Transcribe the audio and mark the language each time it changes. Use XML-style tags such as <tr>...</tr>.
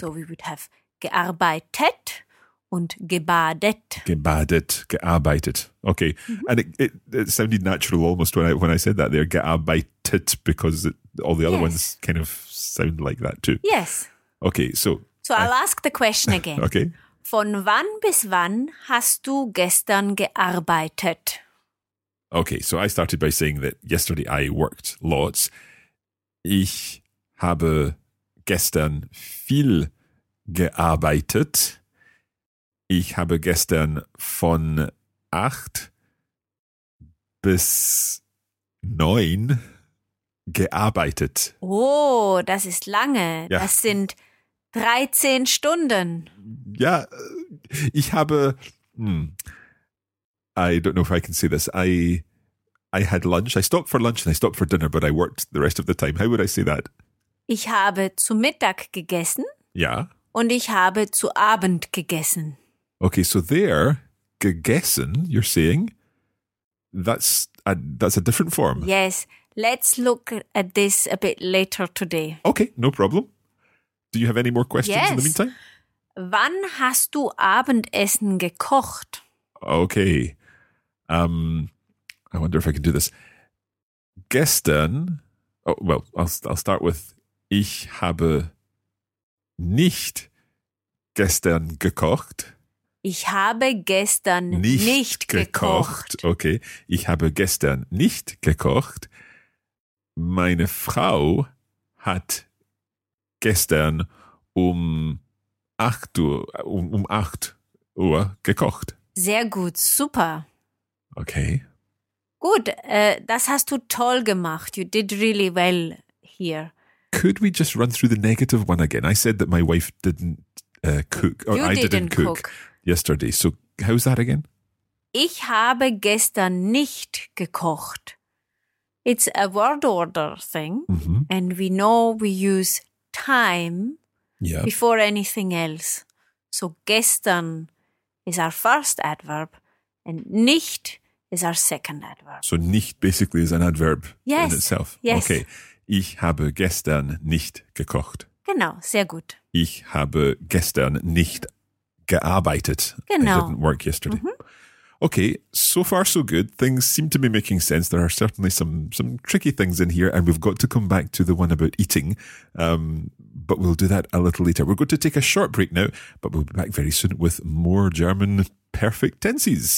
<en>So we would have gearbeitet.</en> <de>Und gebadet. Gebadet, gearbeitet. Okay. Mm-hmm.</de> <en>And it sounded natural almost when I said that there, gearbeitet, because all the other ones kind of sound like that too. Yes. Okay, so. So I'll ask the question again. Okay.</en> <de>Von wann bis wann hast du gestern gearbeitet?</de> <en>Okay, so I started by saying that yesterday I worked lots.</en> <de>Ich habe gestern viel gearbeitet. Ich habe gestern von 8 bis 9 gearbeitet. Oh, das ist lange. Ja. Das sind 13 Stunden. Ja, ich habe,</de> <en>I don't know if I can say this. I had lunch. I stopped for lunch and I stopped for dinner, but I worked the rest of the time. How would I say that?</en> <de>Ich habe zu Mittag gegessen. Ja. Und ich habe zu Abend gegessen.</de> <en>Okay, so there, gegessen, you're saying, that's a different form. Yes, let's look at this a bit later today. Okay, no problem. Do you have any more questions in the meantime?</en> <de>Wann hast du Abendessen gekocht?</de> <en>Okay, I wonder if I can do this.</en> <de>Gestern,</de> <en>I'll start with,</en> <de>ich habe nicht gestern gekocht. Ich habe gestern nicht gekocht. Okay, ich habe gestern nicht gekocht. Meine Frau hat gestern um 8 Uhr gekocht. Sehr gut, super. Okay. Gut, das hast du toll gemacht.</de> <en>You did really well here. Could we just run through the negative one again? I said that my wife didn't cook. Or you didn't cook. Yesterday. So, how's that again?</en> <de>Ich habe gestern nicht gekocht.</de> <en>It's a word order thing. Mm-hmm. And we know we use time before anything else. So, gestern is our first adverb and nicht is our second adverb. So, nicht basically is an adverb in itself. Yes. Okay.</en> <de>Ich habe gestern nicht gekocht. Genau. Sehr gut. Ich habe gestern nicht gearbeitet. Genau.</de> <en>I didn't work yesterday. Mm-hmm. Okay, so far so good. Things seem to be making sense. There are certainly some tricky things in here, and we've got to come back to the one about eating, but we'll do that a little later. We're going to take a short break now, but we'll be back very soon with more German perfect tenses.</en>